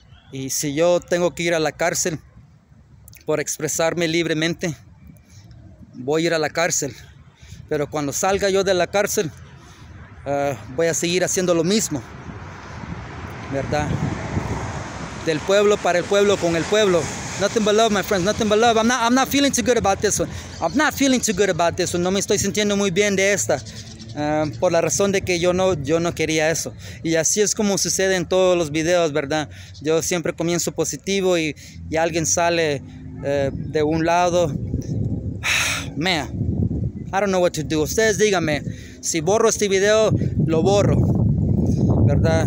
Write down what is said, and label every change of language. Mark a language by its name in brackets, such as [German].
[Spanish] Y si yo tengo que ir a la cárcel por expresarme libremente, voy a ir a la cárcel. Pero cuando salga yo de la cárcel, voy a seguir haciendo lo mismo, ¿verdad? Del pueblo para el pueblo, con el pueblo. [English] Nothing but love, my friends, nothing but love. I'm not feeling too good about this one. I'm not feeling too good about this one. [Spanish] No me estoy sintiendo muy bien de esta. Por la razón de que yo no quería eso. Y así es como sucede en todos los videos, ¿verdad? Yo siempre comienzo positivo y alguien sale de un lado. [English] Man, I don't know what to do. [Spanish] Ustedes díganme, si borro este video, lo borro, ¿verdad?